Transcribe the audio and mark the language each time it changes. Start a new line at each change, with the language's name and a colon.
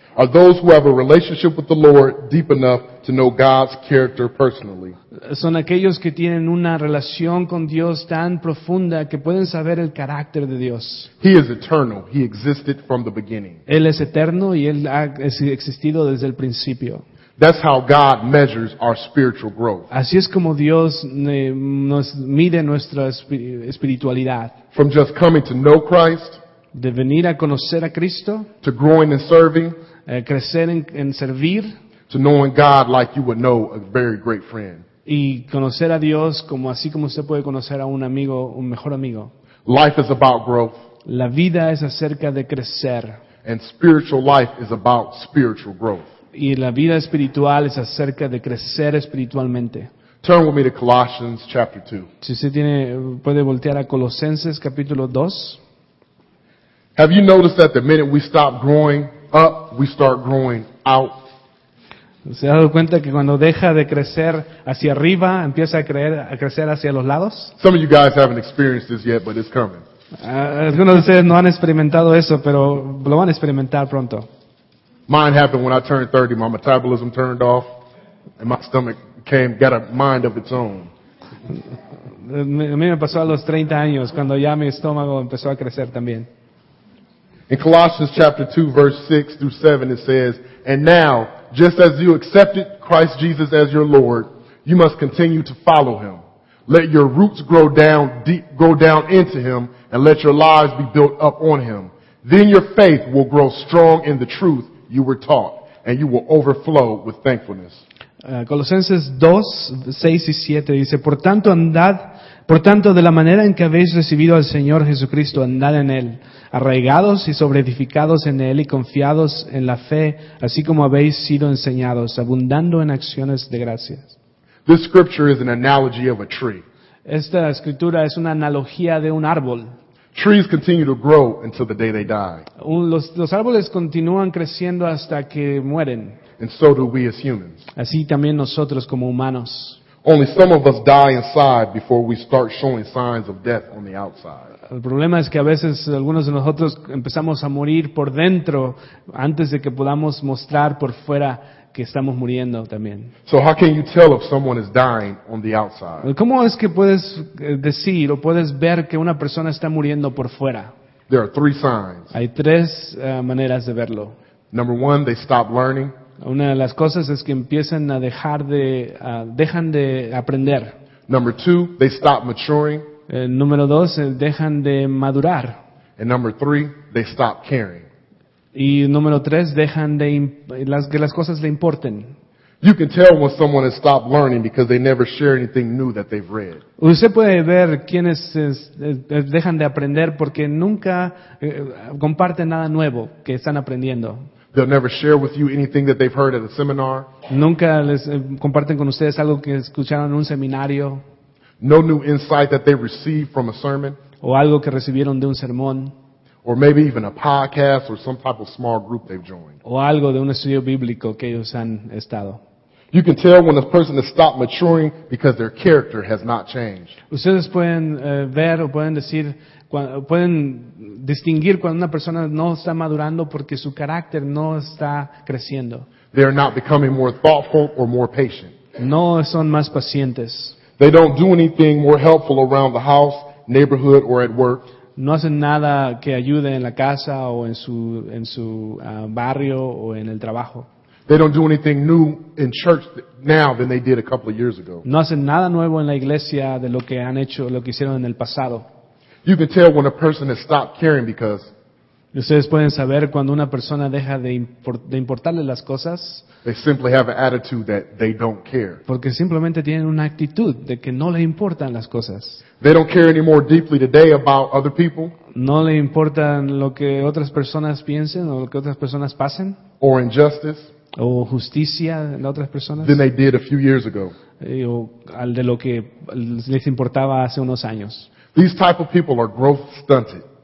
English: Are those who have a relationship with the Lord deep enough to know God's character personally.
Spanish: Son aquellos que tienen una relación con Dios tan profunda que pueden saber el carácter de Dios.
English: He is eternal. He existed from the beginning.
Spanish: Él es eterno y Él ha existido desde el principio.
English: That's how God measures our spiritual growth.
Spanish: Así es como Dios nos mide nuestra espiritualidad.
English: From just coming to know Christ,
Spanish: de venir a conocer a Cristo,
English: to growing and serving,
Spanish: crecer en servir,
English: to knowing God like you would know a very great friend.
Spanish: Y conocer a Dios como así como usted puede conocer a un amigo, un mejor amigo.
English: Life is about growth.
Spanish: La vida es acerca de crecer.
English: And spiritual life is about spiritual growth.
Spanish: Y la vida espiritual es acerca de crecer espiritualmente.
English: Turn with me to Colossians chapter 2.
Spanish: Si usted tiene, puede voltear a Colosenses capítulo 2.
English: Have you noticed that the minute we stop growing up, we start growing out?
Spanish: ¿Se ha dado cuenta que cuando deja de crecer hacia arriba, empieza a crecer hacia los lados?
English: Some of you guys haven't experienced this yet, but it's coming.
Spanish: Algunos de ustedes no han experimentado eso, pero lo van a experimentar pronto.
English: Mine happened when I turned 30. My metabolism turned off, and my stomach came, got a mind of its own.
Spanish: A mí me pasó a los 30 años, cuando ya mi estómago empezó a crecer también.
English: In Colossians chapter 2, verse 6 through 7, it says, "And now, just as you accepted Christ Jesus as your Lord, you must continue to follow Him. Let your roots grow down deep, grow down into Him, and let your lives be built up on Him. Then your faith will grow strong in the truth you were taught, and you will overflow with thankfulness."
Spanish: Colosenses 2, 6 y 7 dice, Por tanto, de la manera en que habéis recibido al Señor Jesucristo, andad en Él, arraigados y sobreedificados en Él y confiados en la fe, así como habéis sido enseñados, abundando en acciones de gracias.
English: This scripture is an analogy of a tree.
Spanish: Esta escritura es una analogía de un árbol.
English: Trees continue to grow until the day they die.
Spanish: Los árboles continúan creciendo hasta que mueren.
English: And so do we as humans.
Spanish: Así también nosotros como humanos.
English: Only some of us die inside before we start showing signs of death on the outside.
Spanish: El problema es que a veces algunos de nosotros empezamos a morir por dentro antes de que podamos mostrar por fuera que estamos muriendo también.
English: So how can you tell if someone is dying on the outside?
Spanish: ¿Cómo es que puedes decir o puedes ver que una persona está muriendo por fuera?
English: There are three signs.
Spanish: Hay tres maneras de verlo.
English: Number one, they stop learning.
Spanish: Una de las cosas es que empiezan a dejan de aprender.
English: Number two, they stop maturing.
Spanish: Número dos, dejan de madurar.
English: And number three, they stop caring.
Spanish: Y número tres, dejan de que las cosas le importen.
English: You can tell when someone has stopped learning because they never share anything new that they've read.
Spanish: Usted puede ver quiénes dejan de aprender porque nunca comparten nada nuevo que están aprendiendo.
English: They'll never share with you anything that they've heard at a seminar.
Spanish: Nunca les comparten con ustedes algo que escucharon en un seminario.
English: No new insight that they received from a sermon.
Spanish: O algo que recibieron de un sermón.
English: Or maybe even a podcast or some type of small group they've joined.
Spanish: O algo de un estudio bíblico que ellos han estado.
English: You can tell when a person has stopped maturing because their character has not changed.
Spanish: Ustedes pueden ver o pueden decir, pueden distinguir cuando una persona no está madurando porque su carácter no está creciendo.
English: They are not becoming more thoughtful or more patient.
Spanish: No son más pacientes.
English: They don't do anything more helpful around the house, neighborhood, or at work.
Spanish: No hacen nada que ayude en la casa o en su barrio o en el trabajo.
English: They don't do anything new in church now than they did a couple of years ago.
Spanish: No hacen nada nuevo en la iglesia de lo que han hecho, lo que hicieron en el pasado.
English: You can tell when a person has stopped caring because.
Spanish: Ustedes pueden saber cuando una persona deja de importarle las cosas.
English: They simply have an attitude that they don't care.
Spanish: Porque simplemente tienen una actitud de que no le importan las cosas.
English: They don't care anymore deeply today about other people.
Spanish: No le importan lo que otras personas piensen o lo que otras personas pasen.
English: Or injustice.
Spanish: O justicia en otras personas.
English: Than they did a few years ago.
Spanish: O al de lo que les importaba hace unos años.
English: These type of people are growth stunted.